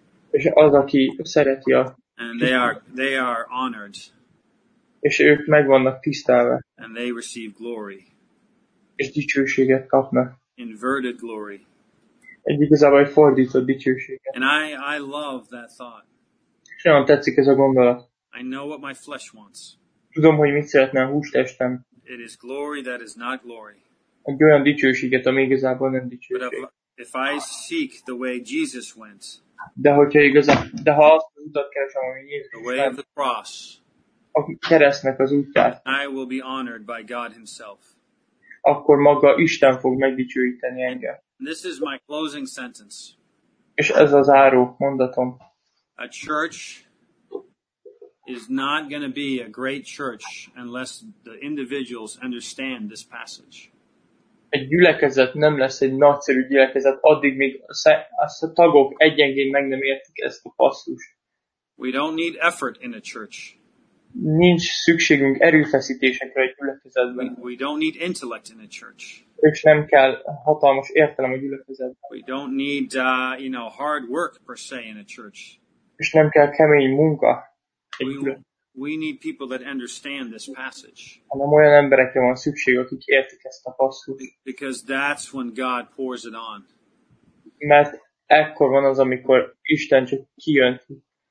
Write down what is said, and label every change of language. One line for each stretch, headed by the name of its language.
Hungarian: És az, aki szereti a...
English: And they are honored.
Hungarian: És ők meg vannak tisztelve.
English: And they receive glory.
Hungarian: És dicsőséget kapnak.
English: Inverted glory.
Hungarian: Egy igazából fordított dicsőséget.
English: And I love that thought.
Hungarian: Nagyon tetszik ez a gondolat.
English: I know what my flesh wants.
Hungarian: Tudom, hogy mit szeretne a hústestem.
English: It is glory that is not glory.
Hungarian: Egy olyan dicsőséget, ami igazából nem dicsőség.
English: If I seek the way Jesus went.
Hungarian: De hogyha igazából, de ha azt az utat keresem, ami Jézus.
English: The way of the cross.
Hungarian: A keresztnek az útját.
English: I will be honored by God himself.
Hungarian: Akkor maga Isten fog megdicsőíteni engem.
English: This is my closing sentence.
Hungarian: És ez az záró mondatom.
English: A church is not going to be a great church unless the individuals understand this passage.
Hungarian: Egy gyülekezet nem lesz egy nagyszerű gyülekezet addig, míg a tagok egyenként meg nem értik ezt a passzust.
English: We don't need effort in a church.
Hungarian: Nincs szükségünk erőfeszítésekre egy gyülekezetben.
English: We don't need intellect in a church.
Hungarian: És nem kell hatalmas értelem a gyülekezetben.
English: We don't need you know, hard work per se in a church.
Hungarian: És nem kell kemény munka.
English: We need people that understand this passage.
Hungarian: Hanem olyan emberekre van szükség, akik értik ezt a passzust.
English: Because that's when God pours it on.
Hungarian: Mert ekkor van az, amikor Isten csak kijönti.